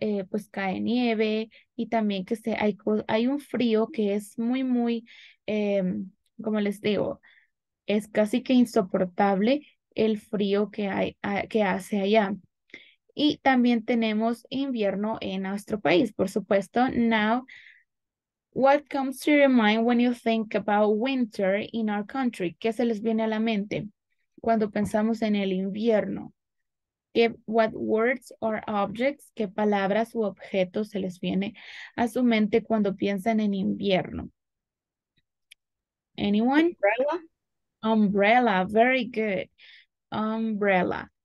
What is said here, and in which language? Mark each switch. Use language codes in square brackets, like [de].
[es] Pues cae nieve y también que hay un frío que es muy, muy, como les digo, es casi que insoportable el frío que hace allá. Y también tenemos invierno en nuestro país, por supuesto. [en] Now, what comes to your mind when you think about winter in our country? [es] ¿Qué se les viene a la mente cuando pensamos en el invierno? What words or objects, qué palabras u objetos se les viene a su mente cuando piensan en invierno? Anyone? [en] Umbrella. Umbrella, very good. Umbrella.